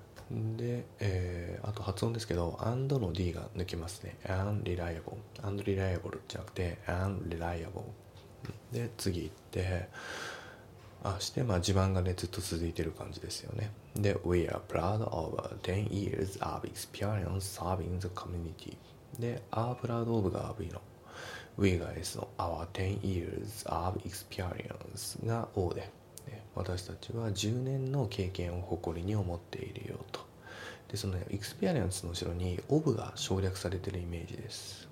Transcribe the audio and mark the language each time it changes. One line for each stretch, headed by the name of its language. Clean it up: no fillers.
Japanese: うん、で、あと発音ですけど and の d が抜けますね。 unreliable、 unreliable じゃなくて unreliable で次行って、あして、まあ地盤がねずっと続いてる感じですよね。
English: で we are proud of 10 years of experience serving the community。
Japanese: で
English: are proud of
Japanese: が v のWe が S の
English: Our 10 years of experience
Japanese: が O で、ね、私たちは10年の経験を誇りに思っているよと。でその experience の後ろに of が省略されているイメージです。